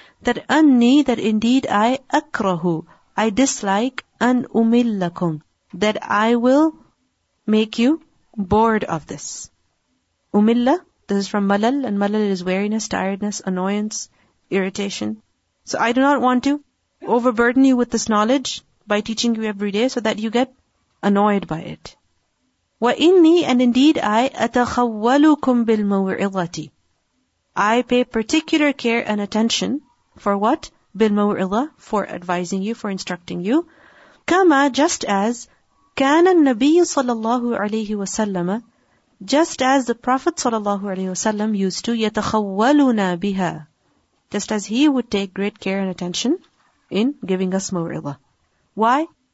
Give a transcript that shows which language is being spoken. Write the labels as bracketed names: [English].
[English] That [Arabic] أني, [English] that indeed I [Arabic] أكره, [English] I dislike, [Arabic] أن أملكم, [English] that I will make you bored of this. [Arabic] أملّ, [English] this is from ملل, and ملل is weariness, tiredness, annoyance, irritation. So I do not want to overburden you with this knowledge by teaching you every day so that you get annoyed by it. [Arabic] وإني, [English] and indeed I, [Arabic] أتخولكم بالموعظة. [English] I pay particular care and attention for what? [Arabic] بالموعظة, [English] for advising you, for instructing you. [Arabic] كما, [English] just as, [Arabic] كان النبي صلى الله عليه وسلم, [English] just as the Prophet [Arabic] صلى الله عليه وسلم [English] used to, [Arabic] يتخولنا بها, [English] just as he would take great care and attention in giving us موعظة. Why?